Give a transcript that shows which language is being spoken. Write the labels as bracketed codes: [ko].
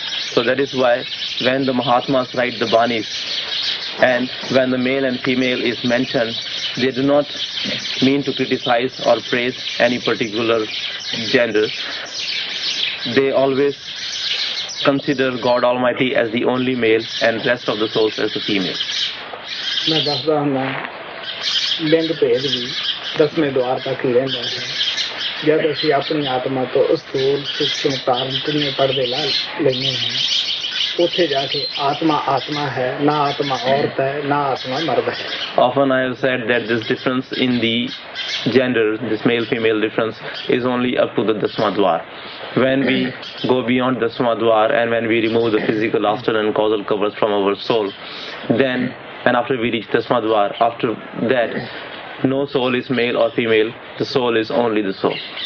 [en] So that is why when the Mahatmas write the Banis and when the male and female is mentioned, they do not mean to criticize or praise any particular gender. They always consider God Almighty as the only male and rest of the souls as the female. [pa] ਜਦ ਅਸੀਂ ਆਪਣੀ ਆਤਮਾ ਤੋਂ ਅਸਥੂਲ ਕਿੰਨੇ ਪਰਦੇ ਲਾ ਲੈਂਦੇ ਹਾਂ, ਉੱਥੇ ਜਾ ਕੇ ਆਤਮਾ ਆਤਮਾ ਹੈ, ਨਾ ਆਤਮਾ ਔਰਤ ਹੈ ਨਾ ਆਤਮਾ ਮਰਦ ਹੈ। [en] Often I have said that this difference in the gender, this male-female difference, is only up to the dasmadwar. When we go beyond the dasmadwar and when we remove the physical, astral and causal covers from our soul, then, and after we reach the dasmadwar, after that, no soul is male or female, the soul is only the soul.